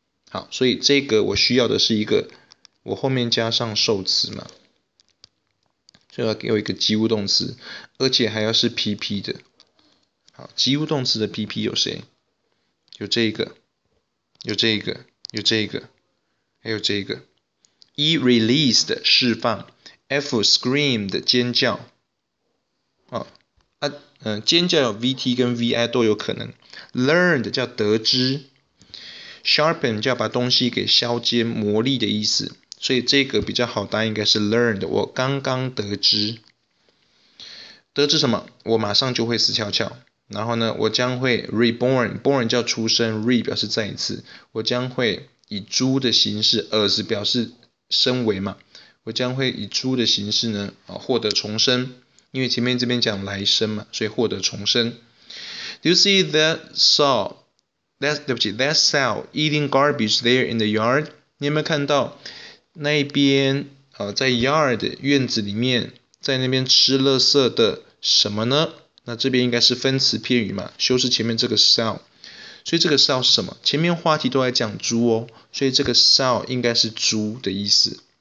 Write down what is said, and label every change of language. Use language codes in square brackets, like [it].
[zh] 好，所以这个我需要的是一个，我后面加上受词嘛。所以要给我一个及物动词，而且还要是 PP 的。好，及物动词的 PP 有谁？有这一个，有这一个，有这一个，还有这一个。 E released 释放 ，F screamed 尖叫。尖叫有 VT 跟 VI 都有可能。Learned 叫得知 ，Sharpen 叫把东西给削尖、磨利的意思。所以这个比较好答应该是 learned， 我刚刚得知。得知什么？我马上就会死翘翘。然后呢，我将会 reborn， born 叫出生， re 表示再一次。我将会以猪的形式， as 表示身为嘛。我将会以猪的形式呢，获得重生。因为前面这边讲来生嘛，所以获得重生。 [en] Do you see that sow? That sow eating garbage there in the yard? [zh] 你有没有看到？那一边在 yard 院子里面在那边吃垃圾的什么呢？那这边应该是分词片语嘛，修饰前面这个 sow， 所以这个 sow 是什么？前面话题都在讲猪哦，所以这个 shall 应该是猪的意思。